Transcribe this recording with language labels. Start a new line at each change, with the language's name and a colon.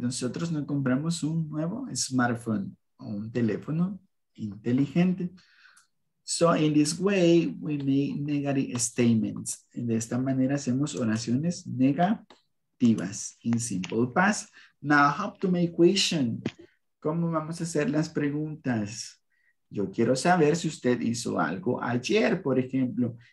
Spanish: Nosotros no compramos un nuevo smartphone o un teléfono inteligente.
English: So in this way, we make negative statements.
Spanish: De esta manera hacemos oraciones negativas
English: in simple past. Now, how to make question?
Spanish: ¿Cómo vamos a hacer las preguntas? Yo quiero saber si usted hizo algo ayer, por ejemplo.